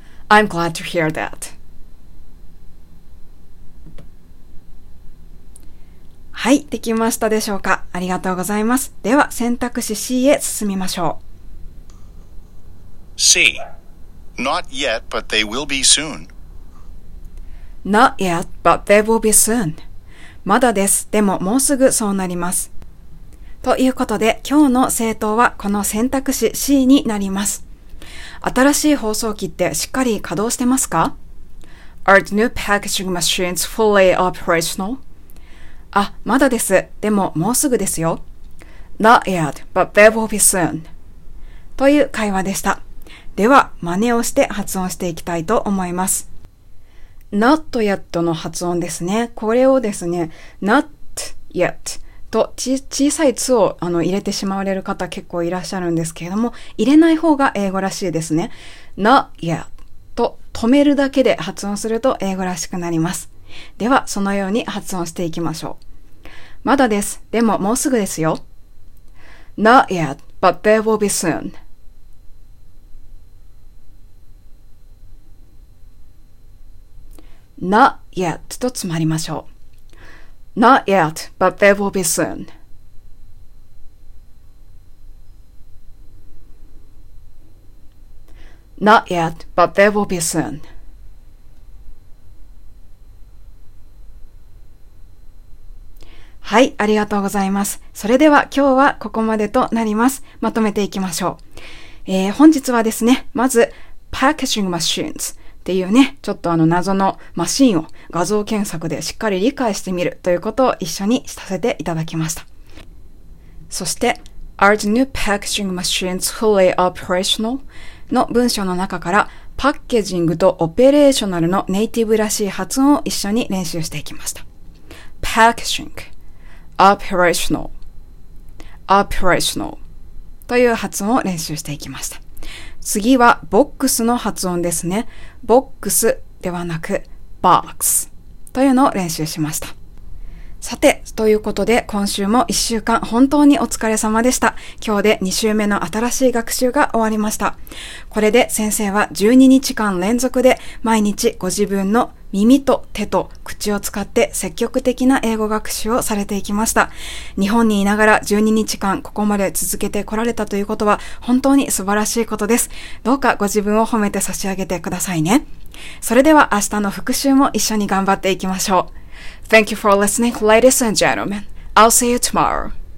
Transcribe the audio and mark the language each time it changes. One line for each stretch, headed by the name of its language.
English: I'm glad to hear that.
Japanese: はい、できましたでしょうか。ありがとうございます。では選択肢 C へ進みましょう。
English: C. Not yet, but they will be soon. Not yet, but they will be soon.
Japanese: まだです。でももうすぐそうなります。ということで今日の正答はこの選択肢 C になります。新しい包装機ってしっかり稼働してますか？
English: Are the new packaging machines fully operational?
Japanese: あ、まだです。でももうすぐですよ。
English: Not yet, but they will be soon.
Japanese: という会話でした。では、真似をして発音していきたいと思います。 Not yet の発音ですね。これをですね、Not yet と小さい2を入れてしまわれる方結構いらっしゃるんですけれども、入れない方が英語らしいですね。 Not yet と止めるだけで発音すると英語らしくなります。ではそのように発音していきましょう。まだです。でももうすぐですよ。
English: Not yet, but they will be soon.
Japanese: Not yet と詰まりましょう。
English: Not yet, but they will be soon. Not yet, but they will be soon.
Japanese: はい、ありがとうございます。それでは今日はここまでとなります。まとめていきましょう。本日はですね、まず、packaging machines、ていうね、ちょっと謎のマシンを画像検索でしっかり理解してみるということを一緒にさせていただきました。そして、
English: Are the new packaging machines fully operational?
Japanese: の文章の中から、パッケージングとオペレーショナルのネイティブらしい発音を一緒に練習していきました。
English: Packaging, operational, operational
Japanese: という発音を練習していきました。次はボックスの発音ですね。ボックスではなく box というのを練習しました。さて、ということで今週も1週間本当にお疲れ様でした。今日で2週目の新しい学習が終わりました。これで先生は12日間連続で毎日ご自分の耳と手と口を使って積極的な英語学習をされていきました。日本にいながら12日間ここまで続けてこられたということは本当に素晴らしいことです。どうかご自分を褒めて差し上げてくださいね。それでは明日の復習も一緒に頑張っていきましょう。
English: Thank you for listening, ladies and gentlemen. I'll see you tomorrow.